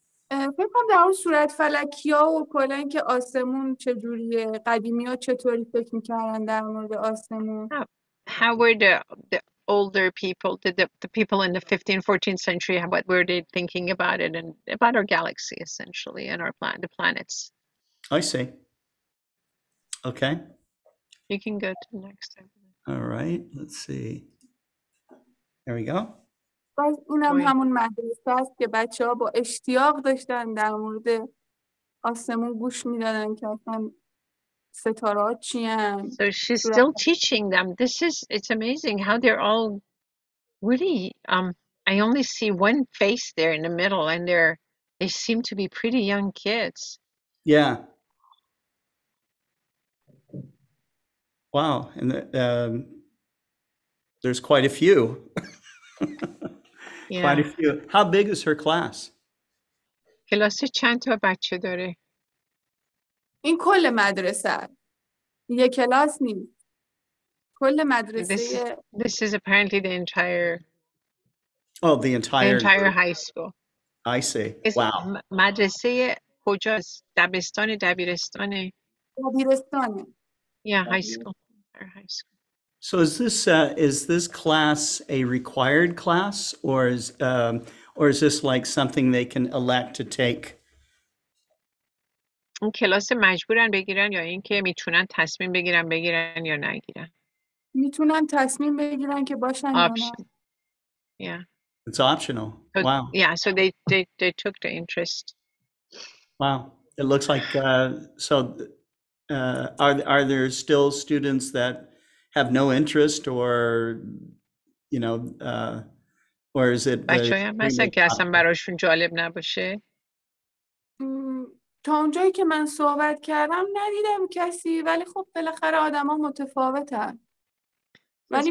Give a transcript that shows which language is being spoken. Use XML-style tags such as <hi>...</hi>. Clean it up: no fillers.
<fa>فکر کنم در اون صورت فلکی‌ها و کلا اینکه آسمون چه جوریه، قدیمی‌ها چطوری فکر می‌کردن در مورد آسمون.</fa> <en>How were the older people, the people in the 15th, 14th century, what were they thinking about it and about our galaxy essentially and our planet, the planets? I see. Okay. You can go to the next time. All right, let's see. There we go.</en> <fa>باز اونم همون مدرسه است که بچه ها با اشتیاق داشتن در مورد آسمون گوش میدادن که اصلا ستاره ها چی هم.</fa> <en>So she's still teaching them. It's amazing how they're all really, I only see one face there in the middle and they seem to be pretty young kids. Yeah. Wow, and there's quite a few. Yeah. Quite a few. How big is her class?</en> <fa>کلاس چند تا بچه داره؟ این کل مدرسه. یه کلاس نیست. کل مدرسه</fa> <en>This is apparently the entire Oh, the entire high school. I see. Wow.</en> <fa>مدرسه کجاست؟ دبستان دبیرستان دبیرستان</fa> <en>Yeah, high school. High school. So is this class a required class or is this like something they can elect to take?</en> <fa>اون کلاس مجبورن بگیرن یا اینکه میتونن تصمیم بگیرن بگیرن یا نگیرن؟ میتونن تصمیم بگیرن که باشن یا نه.</fa> <en>Yeah. It's optional. Wow. Yeah, so they took the interest. Wow. It looks like are there still students that have no interest or is it</en> <fa>بچه های هم هستن که اصلا براشون جالب نباشه؟ تا اونجایی که من صحبت کردم ندیدم کسی ولی خب بالاخره آدم ها متفاوتن ولی</fa>